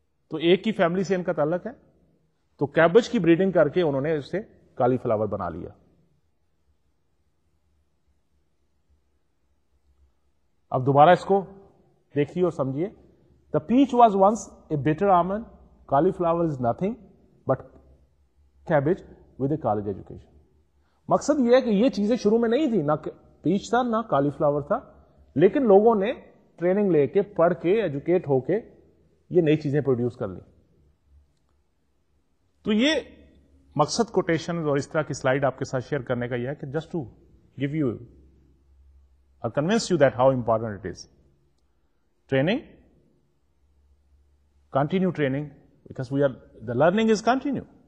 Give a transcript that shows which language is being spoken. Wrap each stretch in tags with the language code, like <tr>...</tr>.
<ur>تو ایک کی فیملی سے ان کا تعلق ہے, تو کیبج کی بریڈنگ کر کے انہوں نے اسے کالی فلاور بنا لیا. اب دوبارہ اس کو دیکھیے اور سمجھیے.</ur> <en>The peach was once a bitter almond, cauliflower is nothing but cabbage with a college education.</en> <ur>مقصد یہ ہے کہ یہ چیزیں شروع میں نہیں تھی, نہ پیچ تھا نہ کالی فلاور تھا, لیکن لوگوں نے ٹریننگ لے کے, پڑھ کے, ایجوکیٹ ہو کے یہ نئی چیزیں پروڈیوس کر لیں. تو یہ مقصد کوٹیشن اور اس طرح کی سلائیڈ آپ کے ساتھ شیئر کرنے کا یہ ہے کہ</ur> <en>Just to give you اور convince you that how important it is training, continue training, because we are the learning is continue.</en>